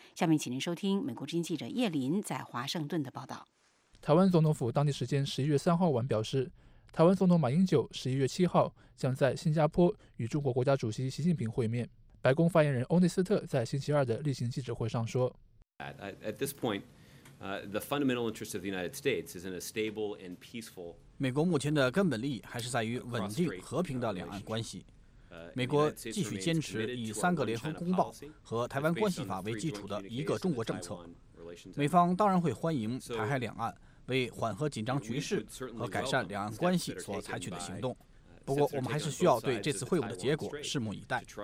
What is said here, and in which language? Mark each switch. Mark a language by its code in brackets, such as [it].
[zh] 下面请您收听美国之音记者叶林在华盛顿的报道。台湾总统府当地时间11月3号晚表示，台湾总统马英九11月7号将在新加坡与中国国家主席习近平会面。白宫发言人欧内斯特在星期二的例行记者会上说 [en] ：“At this point, the fundamental interest of the United States is in a stable and peaceful. [zh] 美国目前的根本利益还是在于稳定和平的两岸关系。美国继续坚持以三个联合公报和台湾关系法为基础的一个中国政策。美方当然会欢迎台海两岸。” 为缓和紧张局势和改善两岸关系所采取的行动，不过我们还是需要对这次会晤的结果拭目以待。